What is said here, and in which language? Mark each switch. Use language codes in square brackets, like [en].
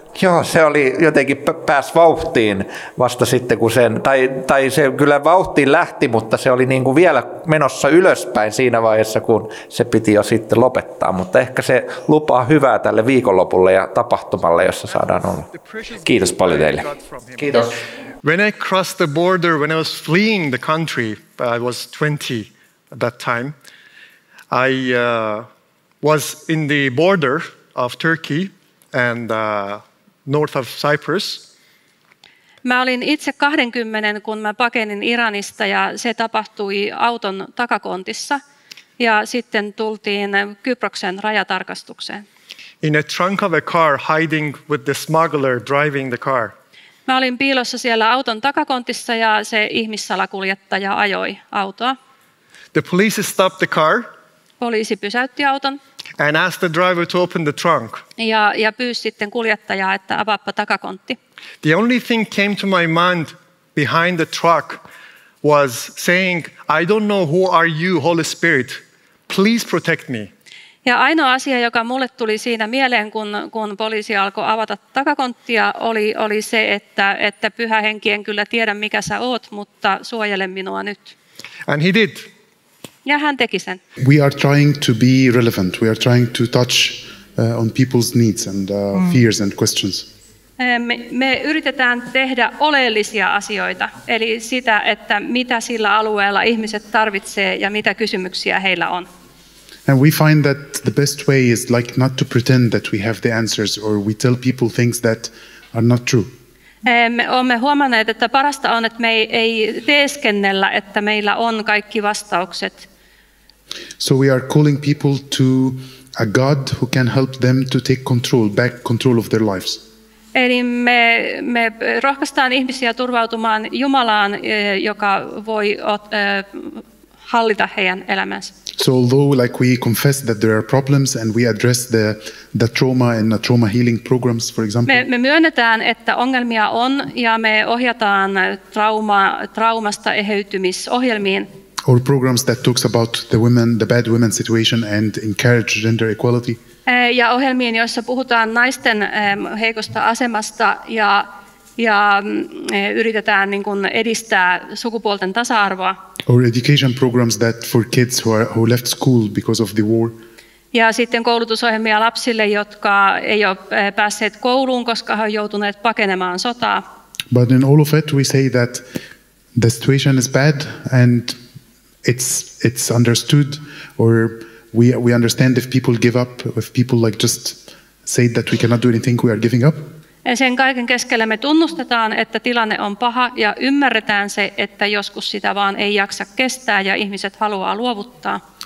[fi] Joo, se oli jotenkin pääs vauhtiin vasta sitten, kun sen, tai se kyllä vauhtiin lähti, mutta se oli niin kuin vielä menossa ylöspäin siinä vaiheessa, kun se piti jo sitten lopettaa. Mutta ehkä se lupaa hyvää tälle viikonlopulle ja tapahtumalle, jossa saadaan olla. Kiitos paljon teille. Kiitos. [en] When I crossed the border, when I was fleeing the country, I was 20 at that time, I was in the border of Turkey and north of Cyprus. [fi] Mä olin itse 20, kun mä pakenin Iranista ja se tapahtui auton takakontissa ja sitten tultiin Kyproksen rajatarkastukseen. [en] In a trunk of a car hiding with the smuggler driving the car. [fi] Mä olin piilossa siellä auton takakontissa ja se ihmissalakuljettaja ajoi autoa. [en] The police stopped the car. [fi] Poliisi pysäytti auton. [en] And asked the driver to open the trunk. [fi] Ja pyysi sitten kuljettajaa, että avaappa takakontti. [en] The only thing came to my mind behind the truck was saying, I don't know who are you, Holy Spirit. Please protect me. [fi] Ja ainoa asia, joka mulle tuli siinä mieleen, kun poliisi alkoi avata takakonttia, oli se, että pyhä henki, en kyllä tiedä mikä sä oot, mutta suojele minua nyt. [en] And he did. [fi] Ja hän teki sen. [en] We are trying to be relevant. We are trying to touch on people's needs and fears and questions. [fi] Me yritetään tehdä oleellisia asioita, eli sitä, että mitä sillä alueella ihmiset tarvitsee ja mitä kysymyksiä heillä on. [en] And we find that the best way is like not to pretend that we have the answers or we tell people things that are not true. [fi] Me olemme huomanneet, että parasta on, että me ei teeskennellä, että meillä on kaikki vastaukset. [en] So we are calling people to a God who can help them to take control, back control of their lives. [fi] Eli me rohkaistaan ihmisiä turvautumaan Jumalaan, joka voi hallita heidän elämänsä. [en] So although like we confess that there are problems and we address the trauma and the trauma healing programs, for example. [fi] Me myönnetään, että ongelmia on ja me ohjataan traumasta eheytymisohjelmiin. [en] Or programs that talks about the women, the bad women situation and encourage gender equality. [fi] Ja ohjelmiin, joissa puhutaan naisten heikosta asemasta ja yritetään niin kuin edistää sukupuolten tasa-arvoa. [en] Or education programs that for kids who left school because of the war. [fi] Ja sitten koulutusohjelmia lapsille, jotka ei ole päässeet kouluun, koska he ovat joutuneet pakenemaan sotaa. [en] But in all of it we say that the situation is bad and it's understood, or we understand if people give up, if people like just say that we cannot do anything, we are giving up. [fi] Sen kaiken keskellä me tunnustetaan, että tilanne on paha ja ymmärretään se, että joskus sitä vaan ei jaksa kestää ja ihmiset haluaa luovuttaa.